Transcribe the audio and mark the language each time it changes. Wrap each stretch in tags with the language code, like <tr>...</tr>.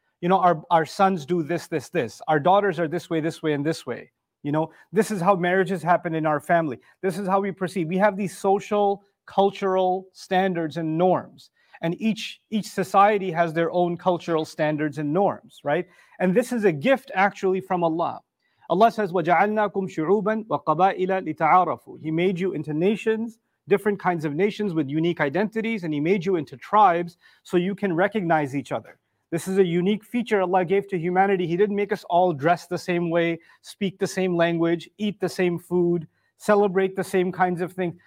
<en>You know, our sons do this, this, this. Our daughters are this way, this way, and this way. You know, this is how marriages happen in our family. This is how we proceed. We have these social, cultural standards and norms. And each society has their own cultural standards and norms, right? And this is a gift actually from Allah. Allah says,</en> <ar>وَجَعَلْنَاكُمْ شُعُوبًا وَقَبَائِلَ لِتَعَارَفُوا.</ar> <en>He made you into nations, different kinds of nations with unique identities, and He made you into tribes so you can recognize each other. This is a unique feature Allah gave to humanity. He didn't make us all dress the same way, speak the same language, eat the same food, celebrate the same kinds of things.</en>